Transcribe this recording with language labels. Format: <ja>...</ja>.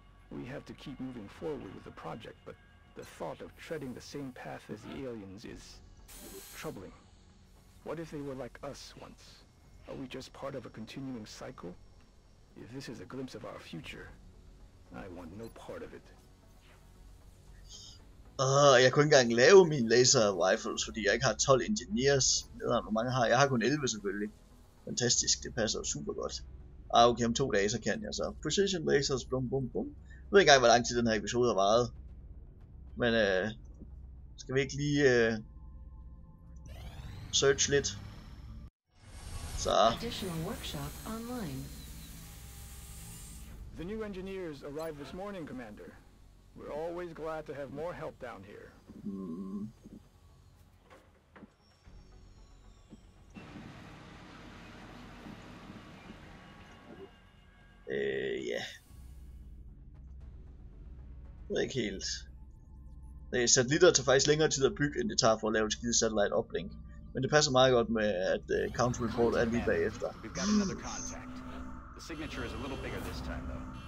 <en>We have to keep moving forward with the project, but the thought of treading the same path as the aliens is troubling. What if they were like us once? Are we just part of a continuing cycle? If this is a glimpse of our future, I want no part of it.</en> <da>Jeg kunne ikke engang lave mine laser rifles, fordi jeg ikke har 12 engineers. Eller hvor mange har jeg? Jeg har kun 11 selvfølgelig. Fantastisk, det passer super godt. Ah, okay, om 2 dage så kan jeg så. Precision lasers, bum bum bum. Jeg ved ikke engang, hvor lang tid den her episode har varet. Men skal vi ikke lige search lidt?</da> <en>Så. Additional workshop online. The new engineers arrived this morning, Commander. We're always glad to have more help down here.</en> <da>Ja. Ikke helt. Det er satellitter, der tager faktisk længere tid at bygge, end det tager for at lave et skide satellite uplink. Men det passer meget godt med, at counter report er lige bagefter.</da> <en>Signature is a little bigger this time, though.</en>